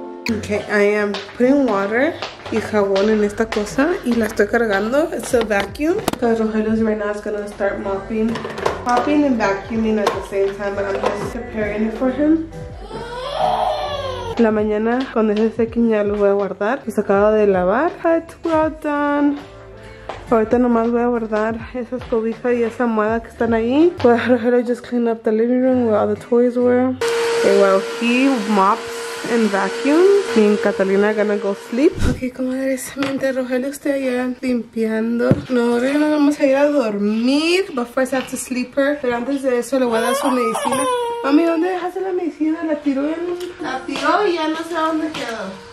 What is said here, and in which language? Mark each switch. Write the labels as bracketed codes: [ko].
[en] Okay, I am putting water [es] y jabón en esta cosa y la estoy cargando. [en] It's a vacuum. Because Rogelio's right now is gonna start mopping. Mopping and vacuuming at the same time, but I'm just preparing it for him. [es] La mañana con ese sequin ya lo voy a guardar. Pues acabo de lavar. [en] It's well done. [es] Ahorita nomás voy a guardar esas cobijas y esa almohada que están ahí. [en] Pues Rogelio just cleaned up the living room where all the toys were. Okay, well, he mops and vacuum. Me and Catalina are gonna go sleep. [es] Okay, comadres, mientras Rogelio está allá limpiando, no, ahora ya no vamos a ir a dormir. [en] But first I have to sleep her. [es] Pero antes de eso le voy a dar su medicina. Mami, ¿dónde dejaste la medicina? La tiró en... La tiró y ya no sé dónde quedó.